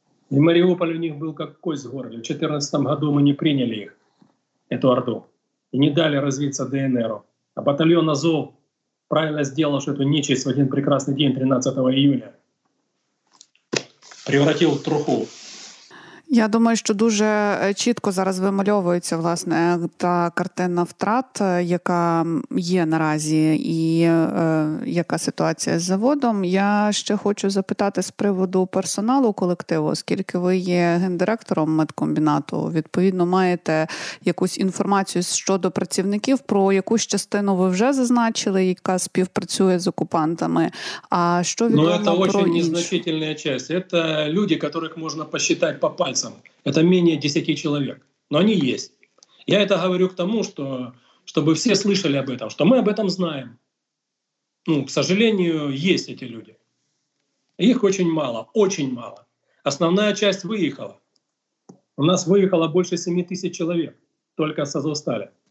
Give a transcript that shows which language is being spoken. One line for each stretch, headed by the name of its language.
Russian: И Мариуполь у них был как кость в горле. В 2014 году мы не приняли их, эту Орду, и не дали развиться ДНРу. А батальон «Азов» правильно сделал, что эту нечисть в один прекрасный день, 13 июля, превратил в труху.
Ukrainian: Я думаю, що дуже чітко зараз вимальовується власне та картина втрат, яка є наразі, і яка ситуація з заводом. Я ще хочу запитати з приводу персоналу колективу, оскільки ви є гендиректором медкомбінату, відповідно, маєте якусь інформацію щодо працівників, про якусь частину ви вже зазначили, яка співпрацює з окупантами. А що відомо про іншу? Ну, це дуже незначительна частина. Це люди, яких можна посчитати по пальцям.
Russian: Это менее 10 человек. Но они есть. Я это говорю к тому, чтобы все слышали об этом, что мы об этом знаем. Ну, к сожалению, есть эти люди. Их очень мало, очень мало. Основная часть выехала. У нас выехало больше 7 тысяч человек только с Азовстали.